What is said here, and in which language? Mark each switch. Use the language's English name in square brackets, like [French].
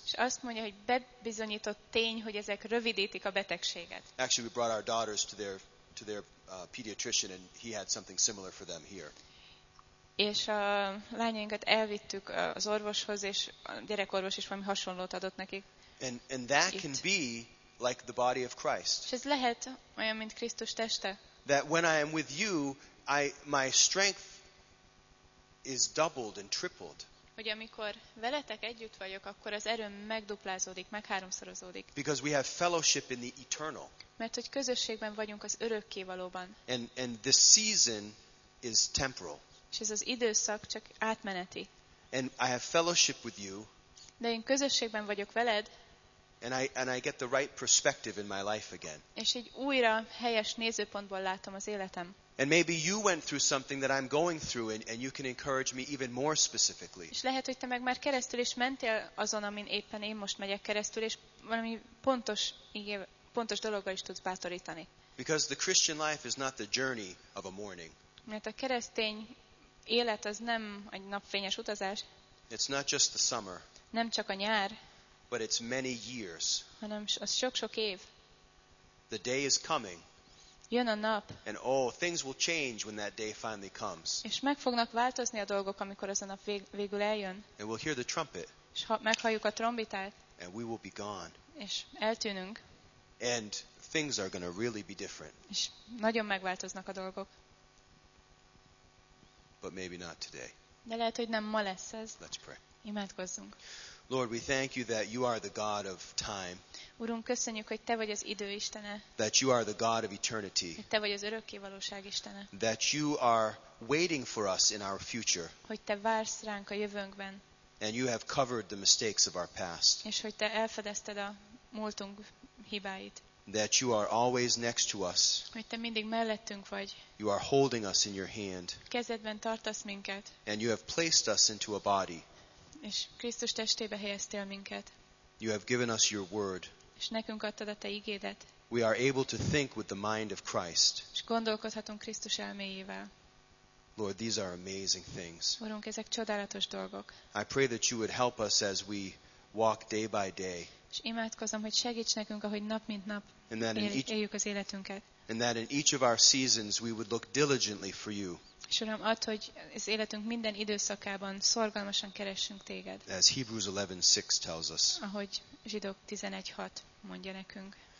[Hungarian] És azt mondja, hogy bebizonyított tény, hogy ezek rövidítik a betegséget. [English] Actually, we brought our daughters to their pediatrician, and he had something similar for them here. [Hungarian] És a lányainkat elvittük az orvoshoz, és a gyerekorvos is valami hasonlót adott nekik. [English] And that itt. Can be like the body of Christ. [Hungarian] És ez lehet olyan, mint Krisztus teste. [English] That when I am with you, my strength is doubled and tripled. [Hungarian] Hogy amikor veletek együtt vagyok, akkor az erőm megduplázódik, megháromszorozódik. [English] Because we have fellowship in the eternal. [Hungarian] Mert hogy közösségben vagyunk az örökkévalóban. [English] And this season is temporal. [Hungarian] És ez az időszak csak átmeneti. [English] And I have fellowship with you. [Hungarian] De én közösségben vagyok veled. [English] And I get the right perspective in my life again. [Hungarian] És így újra helyes nézőpontból látom az életem. [English] And maybe you went through something that I'm going through, and you can encourage me even more specifically. [Hungarian] És lehet, hogy te meg már keresztül is mentél azon, amin éppen én most megyek keresztül, és valami pontos dologgal is tudsz bátorítani. [English] Because the Christian life is not the journey of a morning. [Hungarian] Mert a keresztény élet az nem egy napfényes utazás. [English] It's not just the summer. [Hungarian] Nem csak a nyár. [English] But it's many years. [Hungarian] Hanem az sok-sok év. [English] The day is coming. [Hungarian] Jön a nap. [English] And things will change when that day finally comes. [Hungarian] És meg fognak változni a dolgok, amikor az a nap végül eljön. [English] And we'll hear the trumpet. [Hungarian] És meghalljuk a trombitát. [English] And we will be gone. [Hungarian] És eltűnünk. [English] And things are going to really be different. [Hungarian] És nagyon megváltoznak a dolgok. [English] But maybe not today. [Hungarian] De lehet, hogy nem ma lesz ez. [English] Let's pray. [Hungarian] Imádkozzunk. [English] Lord, we thank you that you are the God of time. [Hungarian] Urunk, köszönjük, hogy te vagy az idő istene. [English] That you are the God of eternity. [Hungarian] Hogy te vagy az örökkévalóság istene. [English] That you are waiting for us in our future. [Hungarian] Hogy te vársz ránk a jövőnkben. [English] And you have covered the mistakes of our past. [Hungarian] És hogy te elfedezted a múltunk hibáit. [English] That you are always next to us. [Hungarian] Hogy te mindig mellettünk vagy. [English] You are holding us in your hand. [Hungarian] Kezedben tartasz minket. [English] And you have placed us into a body. [Hungarian] És Krisztus testébe helyeztél minket. [English] You have given us your word. [Hungarian] És nekünk adtad a te igédet. [English] We are able to think with the mind of Christ. [Hungarian] És gondolkodhatunk Krisztus elméjével. [English] Lord, these are amazing things. [Hungarian] Urunk, ezek csodálatos dolgok. [English] I pray that you would help us as we walk day by day. [Hungarian] És imádkozom, hogy segíts nekünk, ahogy nap mint nap éljük az életünket. [English] And that in each of our seasons we would look diligently for you. [Hungarian] És Uram, add, hogy az életünk minden időszakában szorgalmasan keressünk téged. [English] As Hebrews 11:6 tells us. [Hungarian] Ahogy Zsidók 11:6 mondja nekünk.